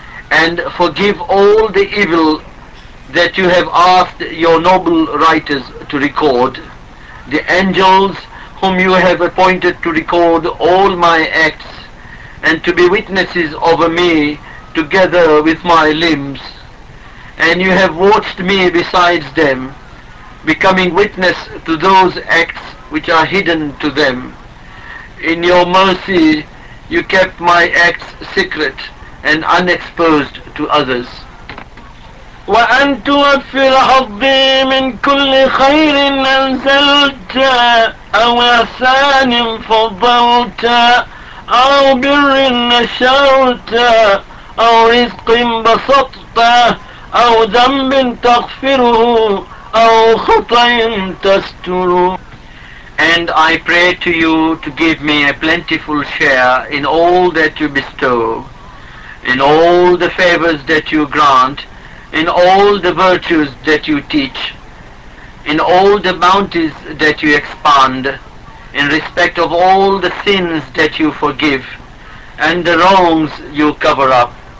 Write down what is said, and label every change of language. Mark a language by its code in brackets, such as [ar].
[en] and forgive all the evil that you have asked your noble writers to record, the angels whom you have appointed to record all my acts and to be witnesses over me together with my limbs, and you have watched me besides them, becoming witness to those acts which are hidden to them. In your mercy you kept my acts secret and unexposed to others. [ar] وأن توفر حظي من كل خير أنزلت أو إحسان فضلت أو بر نشرت أو رزق بسطت أو ذنب تغفره أو خطأ تستر. [en] And I pray to you to give me a plentiful share in all that you bestow, in all the favors that you grant, in all the virtues that you teach, in all the bounties that you expand, in respect of all the sins that you forgive and the wrongs you cover up.